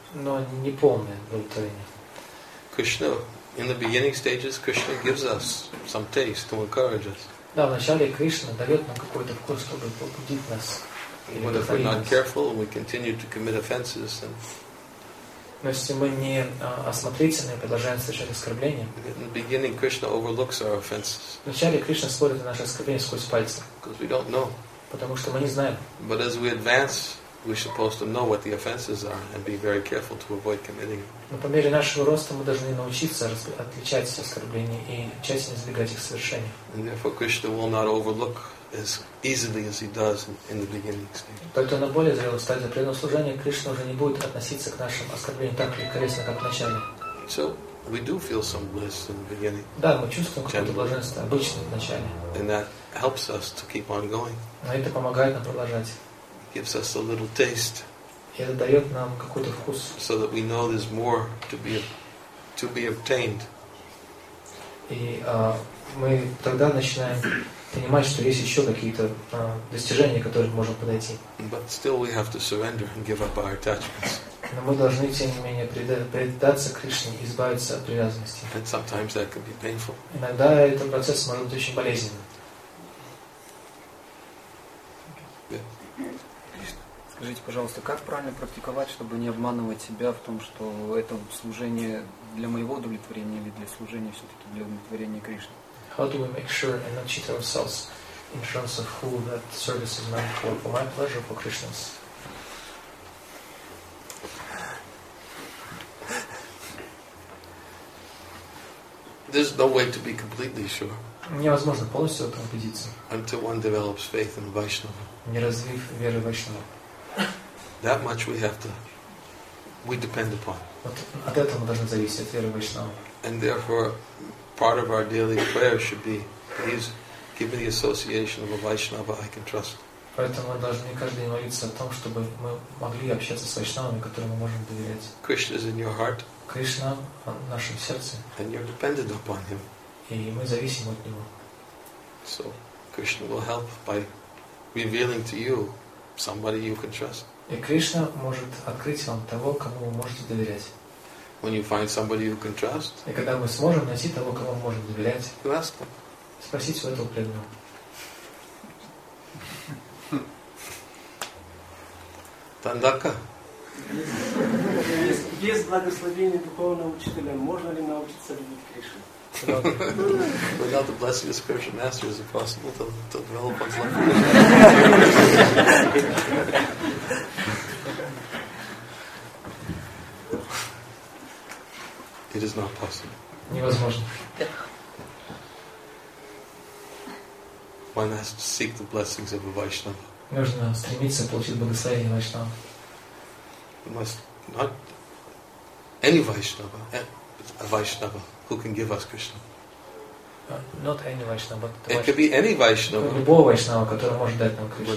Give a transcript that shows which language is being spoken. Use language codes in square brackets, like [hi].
[ru] Но не полное удовлетворение. [en] Krishna. In the beginning stages, Krishna gives us some taste to encourage us. [ru] Да, вначале Кришна дает нам какой-то вкус, чтобы побудить нас. [en] But if we're not careful, we continue to commit offenses. And [ru] но если мы не осмотрительны, продолжаем совершать оскорбления. [en] In the beginning, Krishna overlooks our offenses. [ru] Вначале Кришна смотрит на наши оскорбления сквозь пальцы. [en] Because we don't know. [ru] Потому что мы не знаем. [en] But as we advance we're supposed to know what the offenses are and be very careful to avoid committing. [ru] Но по мере нашего роста мы должны научиться отличать оскорбления и тщательно избегать их совершения. [en] And therefore, Krishna will not overlook as easily as he does in the beginning stage. [ru] Поэтому на более зрелой стадии преданного служения Кришна уже не будет относиться к нашим оскорблениям так легкорезно, как в начале. [en] So we do feel some bliss in the beginning. [ru] Да, мы чувствуем какое-то блаженство обычно в начале. [en] And that helps us to keep on going. [ru] Но это помогает нам продолжать. [en] Gives us a little taste. [ru] Это дает нам какой-то вкус. [en] So that we know there's more to be obtained. [ru] И мы тогда начинаем понимать, что есть еще какие-то достижения, которые можно подойти. [en] But still we have to surrender and give up our attachments. [ru] Но мы должны тем не менее предаться Кришне, избавиться от привязанности. [en] And sometimes that can be painful. [ru] Иногда этот процесс может быть очень болезненным. Скажите, пожалуйста, как правильно практиковать, чтобы не обманывать себя в том, что это служение для моего удовлетворения или для служения все-таки для удовлетворения Кришны? [en] How do we make sure and not cheat ourselves in terms of who that service is meant for my pleasure, for Krishna's? There's no way to be completely sure. [ru] Невозможно полностью в этом убедиться. [en] Until one develops faith in Vaishnava. [ru] Не развив веры в Вайшнава. [en] That much we have to, we depend upon. [ru] От этого мы должны зависеть, от веры в Вайшнава. [en] And therefore, part of our daily prayer should be, please give me the association of a Vaishnava I can trust. [ru] Поэтому мы должны каждый день молиться о том, чтобы мы могли общаться с Вайшнавами, которым мы можем доверять. [en] Krishna is in your heart. [ru] Кришна в нашем сердце. [en] And you're dependent upon him. [ru] И мы зависим от него. [en] So, Krishna will help by revealing to you somebody you can trust. [ru] И Кришна может открыть вам того, кому вы можете доверять. [en] When you find somebody you can trust, [ru] и когда мы сможем найти того, кому мы можем доверять, [en] you ask them. [ru] Спросите у этого преданного. Тандака. Без благословения духовного учителя можно ли научиться любить Кришну? [en] Without the blessing of spiritual master, is it possible to develop one's life? It is not possible. [ru] Невозможно. [en] One has to seek the blessings of a Vaishnava. [ru] Нужно стремиться получить благословение Вайшнава. [en] You must not any Vaishnava, a Vaishnava. Who can give us Krishna? Not any Vaishnava, but it could be any Vaishnava. [ru] Любого Вайшнава, который может дать нам Кришну.